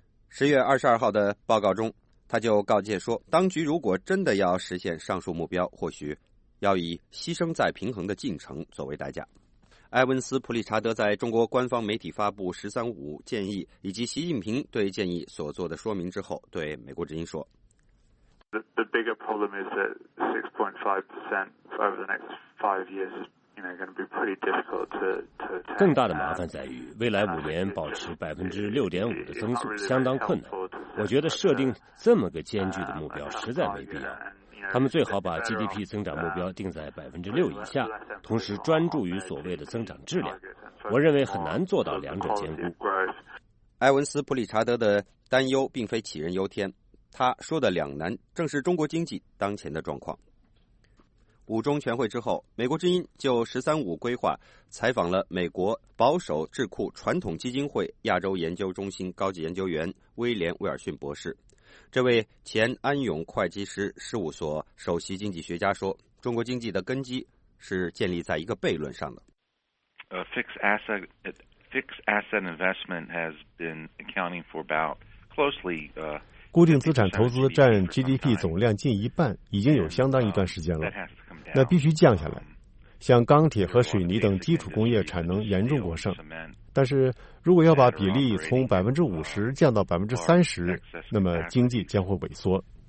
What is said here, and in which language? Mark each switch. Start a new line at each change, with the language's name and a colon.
Chinese: 10月22号的报告中，他就告诫说，当局如果真的要实现上述目标，或许要以牺牲再平衡的进程作为代价。埃文斯·普里查德在中国官方媒体发布“十三五”建议以及习近平对建议所做的说明之后，对《美国之音》说
English: ：“The bigger problem is that 6.5% over the next 5 years is going to be pretty difficult to attain。
Chinese: 更大的麻烦在于，未来5年保持6.5%的增速相当困难。我觉得设定这么个艰巨的目标实在没必要。” 他们最好把 GDP 增长目标定在6%以下，同时专注于所谓的增长质量。我认为很难做到两者兼顾。埃文斯·普里查德的担忧并非杞人忧天，他说的两难正是中国经济当前的状况。五中全会之后，美国之音就“十三五”规划采访了美国保守智库传统基金会亚洲研究中心高级研究员威廉·威尔逊博士。这位前安永会计师事务所首席经济学家说，中国经济的根基是建立在一个悖论上的。
English: Fixed asset investment has been accounting for about closely,
Chinese: 固定资产投资占 GDP 总量近一半，已经有相当一段时间了。那必须降下来。像钢铁和水泥等基础工业产能严重过剩，但是如果要把比例从50%降到30%，那么经济将会萎缩。